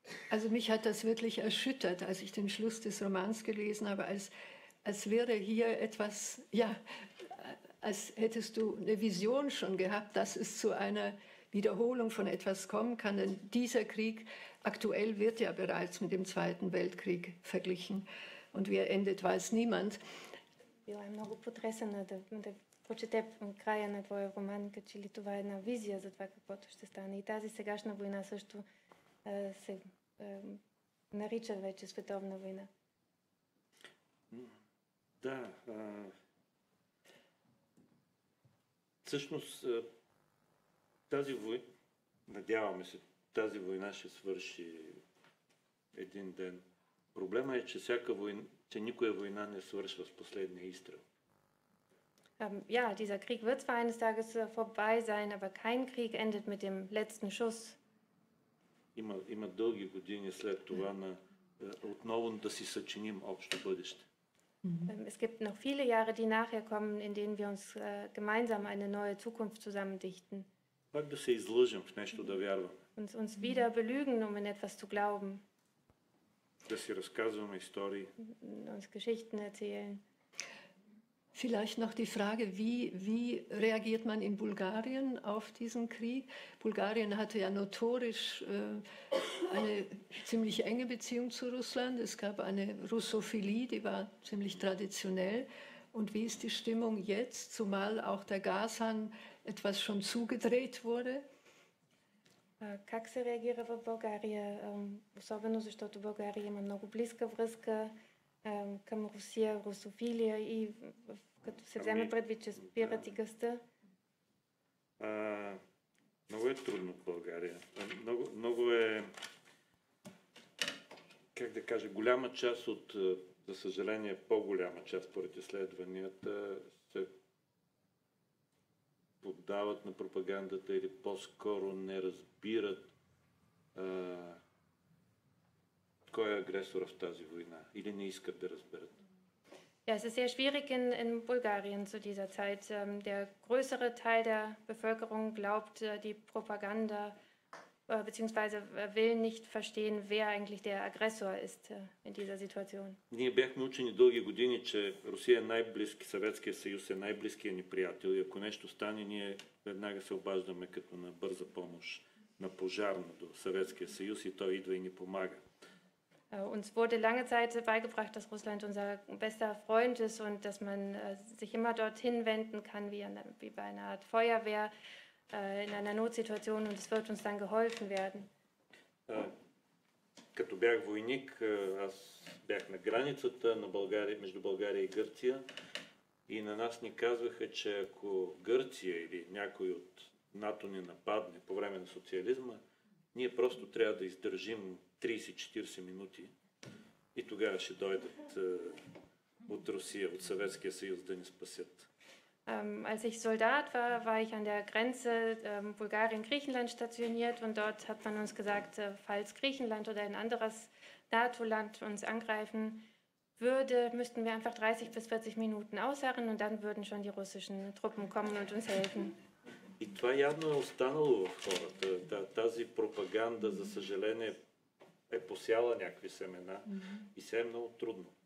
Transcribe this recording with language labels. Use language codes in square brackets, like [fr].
[de] Also mich hat das wirklich erschüttert, als ich den Schluss des Romans gelesen habe, als wäre hier etwas, ja, als hättest du eine Vision schon gehabt, dass es zu einer Wiederholung von etwas kommen kann, denn dieser Krieg aktuell wird ja bereits mit dem Zweiten Weltkrieg verglichen. Und wie er endet, weiß niemand. [bg] Я много потресена да прочете края на твоя роман, като че ли това е една визия за това, каквото ще стане. И тази сегашна война също се нарича вече световна война. Да. Всъщност, тази война, надяваме се, тази война ще свърши един ден. Проблема е, че всяка война, че никоя война не свършва с последния изстрел. [de] Ja, dieser Krieg wird zwar eines Tages vorbei sein, aber kein Krieg endet mit dem letzten Schuss. [bg] Има дълги години след това отново да си съчиним общо бъдеще. [de] Es gibt noch viele Jahre, die nachher kommen, in denen wir uns gemeinsam eine neue Zukunft zusammendichten. [bg] Пак да се излъжим в нещо да вярваме. [de] Uns wieder belügen, um in etwas zu glauben. [bg] Да си разказваме истории. [de] Uns Geschichten erzählen. Vielleicht noch die Frage, wie reagiert man in Bulgarien auf diesen Krieg? Bulgarien hatte ja notorisch eine ziemlich enge Beziehung zu Russland. Es gab eine Russophilie, die war ziemlich traditionell. Und wie ist die Stimmung jetzt, zumal auch der Gashahn etwas schon zugedreht wurde? [bg] Как се реагира в България, особено защото България има много близка връзка към Русия, русофилия и като се вземе предвид, че спират и гъста? Много е трудно в България. Много е, как да кажа, голяма част от, за съжаление, по-голяма част според изследванията се поддават на пропагандата или по-скоро не разбират кой е агресора в тази война или не искат да разберат. [de] Ja, es ist sehr schwierig in Bulgarien zu dieser Zeit. Der größere Teil der Bevölkerung glaubt die Propaganda beziehungsweise will nicht verstehen, wer eigentlich der Aggressor ist in dieser Situation. [bg] Ние бяхме учени дълги години, че Русия е най-близки, Съветския съюз е най-близкият ни приятел и ако нещо стане, ние веднага се обаждаме като на бърза помощ на пожарното Съветския съюз и той идва и ни помага. [de] Uns wurde lange Zeit beigebracht, dass Russland unser bester Freund ist und dass man sich immer dorthin wenden kann, wie bei einer Art Feuerwehr in einer Notsituation, und es wird uns dann geholfen werden. [bg] Като бях войник, аз бях на границата на България, между България и Гърция, и на нас ни казваха, че ако Гърция или някой от НАТО ни нападне по време на социализма, ние просто трябва да издържим 30-40 минути и тогава ще дойдат от Русия, от Съветския съюз да ни спасят. [de] Als ich Soldat war, war ich an der Grenze Bulgarien-Griechenland stationiert und dort hat man uns gesagt, falls Griechenland oder ein anderes NATO-Land uns angreifen würde, müssten wir einfach 30 bis 40 Minuten ausharren und dann würden schon die russischen Truppen kommen und uns helfen. [bg] И това явно е останало в хората. Тази пропаганда, за съжаление, е посяла някакви семена и се е много трудно.